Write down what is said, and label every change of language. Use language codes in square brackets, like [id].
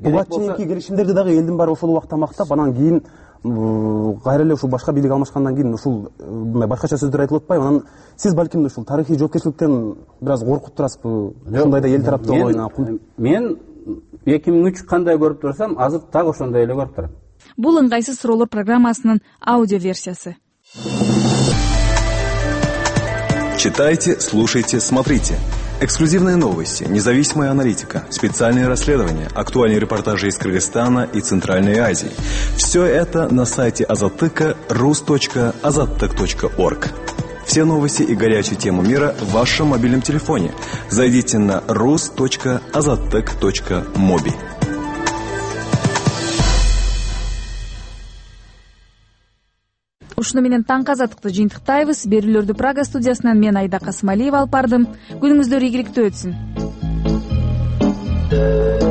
[ky] Буга чейинки келишимдерди дагы элдин баары ошол убакта мактап, анан кийин кайра эле ушул башка бийлик алмашкандан кийин ушул башкача сөздөр айтылып атпайбы? Анан сиз балким ушул тарыхый жоопкерчиликтен бир аз коркуп турасызбы? Ушундай да эл тараптан ойлойн. Мен 2003 кандай көрүп турсам, азыр так ошондой эле көрүп турам. Бул ыңгайсыз суроолор программасынын аудио версиясы. [ru] Читайте, слушайте, смотрите. Эксклюзивные новости, независимая аналитика, специальные расследования, актуальные репортажи из Кыргызстана и Центральной Азии. Все это на сайте azattyk.ru/azattyk.org. Все новости и горячую тему мира в вашем мобильном телефоне. Зайдите на rus.azattyk.mobi. [ky] Ушуну менен таңк азаттыкты жыйынтыктайбыз. Берүүлөрдү Прага студиясынан мен Айда Касымалиева алып бардым. Күнүңүздөр ийгиликтүү өтсүн.